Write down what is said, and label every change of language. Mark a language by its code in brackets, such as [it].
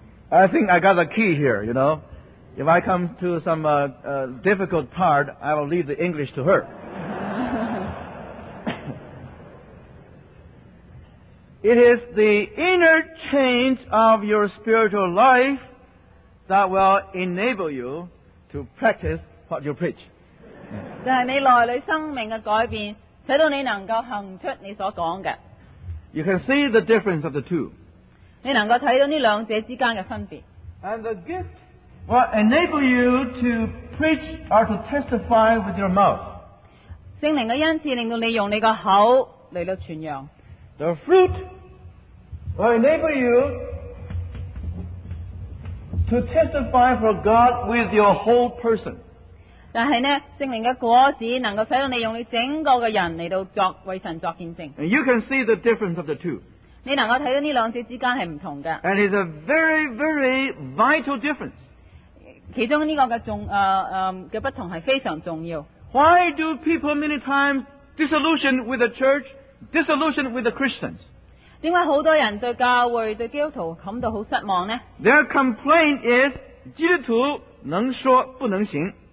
[en] I think I got the key here, you know. If I come to some difficult part, I will leave the English to her. It is the inner change of your spiritual life that will enable you to practice what you preach. [zh] 就是你内里生命的改变，使到你能够行出你所讲的。 [en] You can see the difference of the two. [zh] 你能够看到这两者之间的分别。 [en] And the gift will enable you to preach or to testify with your mouth. [zh] 圣灵的恩赐令到你用你的口来到传扬。 [en] The fruit will enable you to testify for God with your whole person. [zh] 但是呢，圣灵的果子能够使到你用你整个的人来到作为神作见证。 [en] And you can see the difference of the two. [zh] 你能够看到这两者之间是不同的。 [en] And it's a very, very vital difference. [zh] 其中这个的不同是非常重要。 [en] Why do people many times disillusion with the church, disillusion with the Christians? [zh] 为什么很多人对教会对基督徒感到很失望呢？ [en] Their complaint is [zh] 基督徒能说不能行。